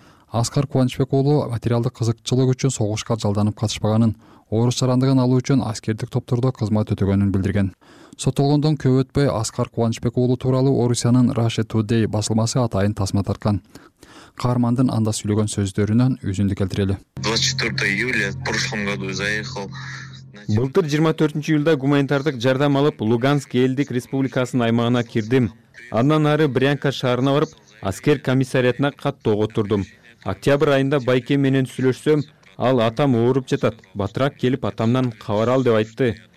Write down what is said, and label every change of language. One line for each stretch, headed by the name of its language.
Kyrgyz: Аскар Кубанычбек уулу материалдык кызыкчылык үчүн согушка жалданып катышпаганын, орус жарандыгын алуу үчүн аскердик топтордо кызмат өтөгөнүн билдирген. Соттолгондон көп өтпөй Аскар Кубанычбек уулу тууралуу Орусиянын Russia Today басылмасы атайын тасма тарткан. Каармандын анда сүйлөгөн сөздөрүнөн үзүндү келтирели.
Russian: 24 июля в прошлом году заехал.
Kyrgyz: Былтыр 24-июлда гуманитардык жардам алып Луганск элдик республикасынын аймагына кирдим. Андан ары Брянка шаарына барып аскер комиссариатына каттоого турдум. Октябрь айында Байке менен сүйлөшсөм, ал атам ооруп жатат, батырак келип атамдан кабар ал деп айтты.